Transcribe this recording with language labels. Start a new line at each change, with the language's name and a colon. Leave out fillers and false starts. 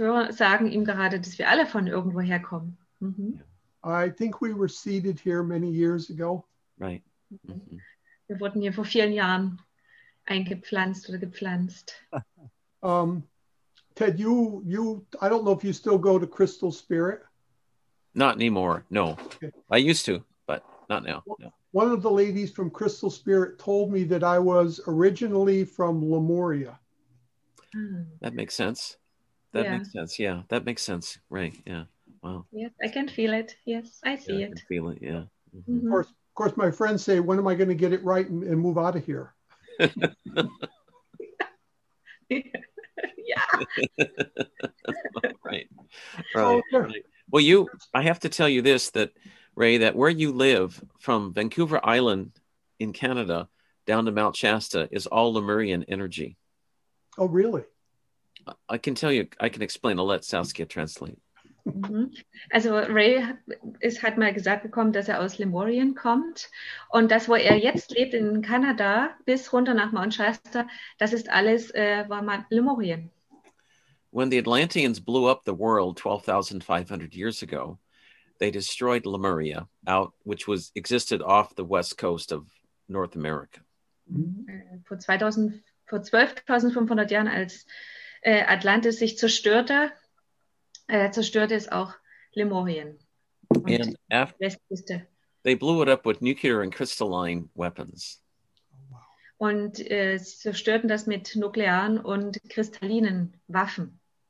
German: Sagen ihm gerade, dass wir alle von irgendwo herkommen.
English: I think we were seated here many years ago. Right.
German: Wir wurden hier vor vielen Jahren eingepflanzt oder gepflanzt.
English: Ted, you, I don't know if you still go to Crystal Spirit. Not anymore, no. Okay. I used to, but not now. No. One of the ladies from Crystal Spirit told me that I was originally from Lemuria. That makes sense. That makes sense. Yeah, that makes sense. Right. Yeah. Wow. Yes, I can feel it. Yes, I see it. I can feel it. Yeah. Mm-hmm. Of course, my friends say, when am I going to get it right and move out of here? Yeah. Right. Right. Well, I have to tell you this, that Ray, that where you live from Vancouver Island in Canada down to Mount Shasta is all Lemurian energy. Oh, really? I can tell you, I can explain. I'll let Saskia translate. Mm-hmm.
German: Also Ray hat mal gesagt bekommen, dass er aus Lemurien kommt. Und das, wo er jetzt lebt in Kanada, bis runter nach Mount Shasta, das ist alles Lemurien.
English: When the Atlanteans blew up the world 12,500 years ago, they destroyed Lemuria, which existed off the west coast of North America.
German: Vor 12.500 Jahren, als Atlantis sich zerstörte es auch Lemurien. Und die Westküste.
English: They blew it up with nuclear and crystalline weapons.
German: Und sie zerstörten das mit nuklearen und kristallinen Waffen.